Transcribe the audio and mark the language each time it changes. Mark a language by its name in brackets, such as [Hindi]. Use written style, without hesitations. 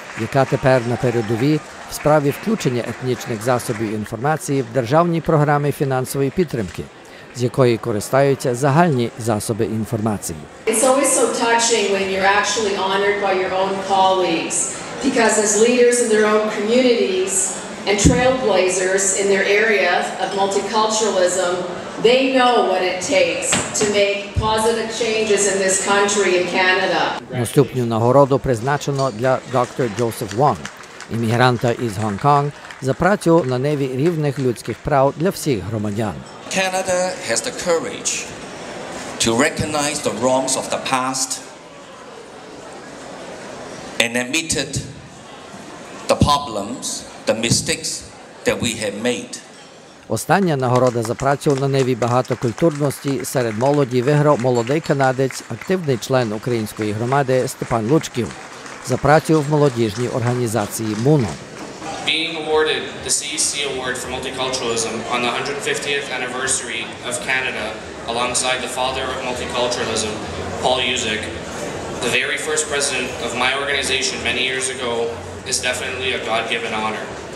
[Ukrainian] яка тепер на передовій в справі включення етнічних засобів інформації в державні програми фінансової підтримки, з якої користуються загальні засоби інформації. [English] It's always so touching when you're actually honored by your own colleagues, because as leaders in their own communities and trailblazers in their area of multiculturalism, they know what it takes to make positive changes in this country, in Canada. [Ukrainian] Наступну нагороду призначено для доктора Джозефа Вонг, іммігранта із Гонконг, за працю на ниві рівних людських прав для всіх громадян. [English] Canada has the courage to recognize the wrongs of the past and admitted the problems, the mistakes that we have made. [Ukrainian] Остання нагорода за працю на ниві багатокультурності серед молоді виграв молодий канадець, активний член української громади Степан Лучків, за працю в молодіжній організації МУНО. [English] Being awarded the CEC Award for Multiculturalism on the 150th anniversary of Canada alongside the father of multiculturalism, Paul Yuzik, the very first president of my organization many years ago, is definitely a God-given honor.